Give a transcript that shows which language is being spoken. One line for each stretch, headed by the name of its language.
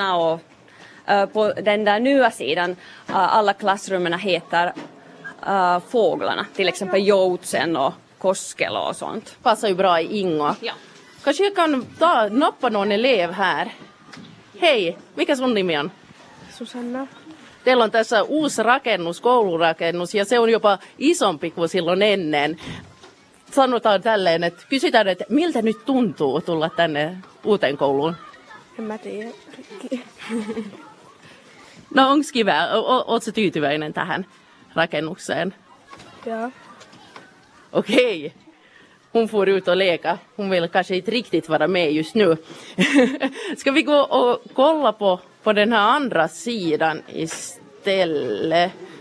Swedish: Och på den där nya sidan, alla klassrummen heter fåglarna. Till exempel Joutsen och Koskela och sånt. Passar ju bra i Ingo. Ja. Kanske jag kan ta nappa någon elev här.
Finnish: Hej, vilka sun nimi on? Susanna. Teillä on tässä uusi rakennus, koulurakennus, ja se on jopa isompi kuin silloin ennen. Sanotaan tälleen, että kysytään, että miltä nyt tuntuu tulla tänne uuteen kouluun? En mä tiedä. No onks kiva? Oot sä tyytyväinen tähän rakennukseen? Joo.
Swedish: Okei. Okay. Hon får ut och leka. Hon vill kanske inte riktigt vara med just nu. Ska vi gå och kolla på den här andra sidan istället?